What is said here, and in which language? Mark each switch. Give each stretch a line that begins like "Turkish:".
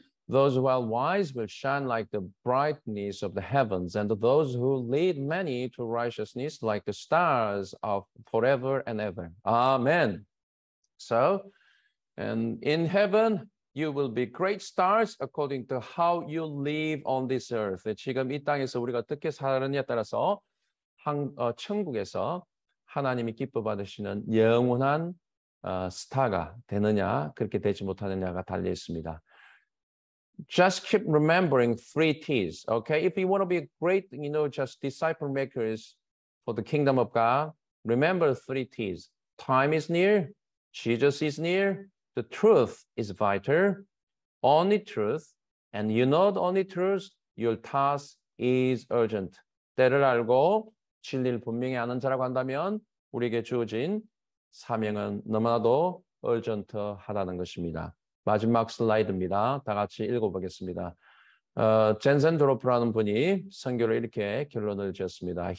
English: Those who are wise will shine like the brightness of the heavens and those who lead many to righteousness like the stars of forever and ever. Amen. So, and in heaven, you will be great stars according to how you live on this earth.
Korean: 지금 이 땅에서 우리가 어떻게 살았느냐에 따라서 천국에서 하나님이 기뻐 받으시는 영원한 스타가 되느냐, 그렇게 되지 못하느냐가 달려 있습니다.
English: Just keep remembering three T's, okay? If you want to be great, you know, just disciple makers for the kingdom of God, remember three T's. Time is near, Jesus is near, the truth is vital, only truth, and you know the only truth, your task is urgent.
Korean: 때를 알고 진리를 분명히 아는 자라고 한다면 우리에게 주어진 사명은 너무나도 urgent하다는 것입니다. 마지막 슬라이드입니다. 다 같이 읽어보겠습니다. 젠센 드로프라는 분이 선교를 이렇게 결론을 지었습니다.